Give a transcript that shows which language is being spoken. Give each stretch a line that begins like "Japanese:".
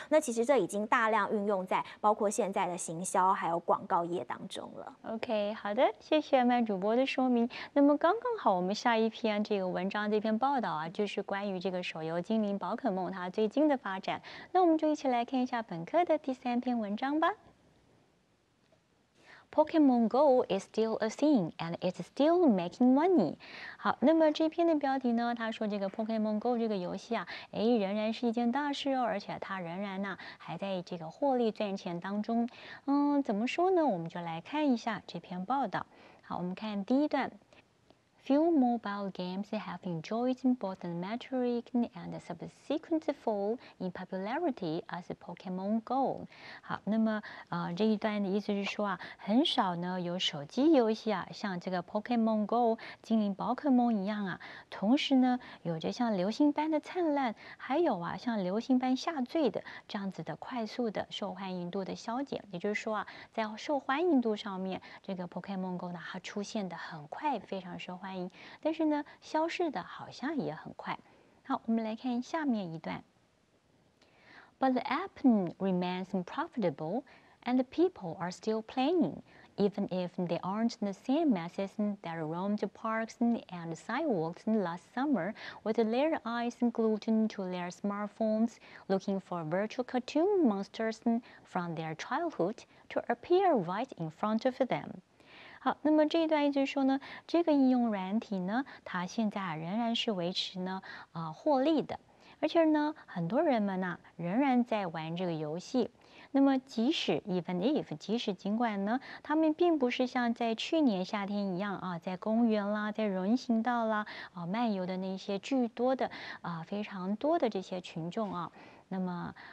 Chinese: 那其实这已经大量运用在包括现在的行销还有广告业当中了。 OK， 好的，谢谢麦主播的说明。那么刚刚好我们下一篇这个文章这篇报道啊，就是关于这个手游精灵宝可梦它最近的发展，那我们就一起来看一下本课的第三篇文章吧。
English: Pokemon Go is still a thing, and it's still making money.
Chinese: 好，那么这篇的标题呢，他说这个 Pokemon Go 这个游戏啊，哎，仍然是一件大事哦，而且它仍然呢，还在这个获利赚钱当中。嗯，怎么说呢？我们就来看一下这篇报道。好，我们看第一段。
English: Few mobile games have enjoyed both the metric and the subsequent fall in popularity as Pokemon Go.
Chinese: 好，那么这一段的意思是说啊，很少呢有手机游戏啊，像这个 Pokemon Go 精灵宝可梦一样啊，同时呢有着像流星般的灿烂，还有啊像流星般下坠的这样子的快速的受欢迎度的消减。也就是说啊，在受欢迎度上面，这个 Pokemon Go 呢它出现的很快，非常受欢迎。但是呢，消失的好像也很快。好，我们来看下面一段。
English: But the app remains profitable, and the people are still playing, even if they aren't the same masses that roamed parks and sidewalks last summer with their eyes glued to their smartphones, looking for virtual cartoon monsters from their childhood to appear right in front of them.
Chinese: 好，那么这一段意思是说呢，这个应用软体呢，它现在仍然是维持呢获利的，而且呢，很多人们呢仍然在玩这个游戏。那么即使
English: even if
Chinese: 即使尽管呢，他们并不是像在去年夏天一样啊，在公园啦，在人行道啦啊漫游的那些巨多的非常多的这些群众啊，那么。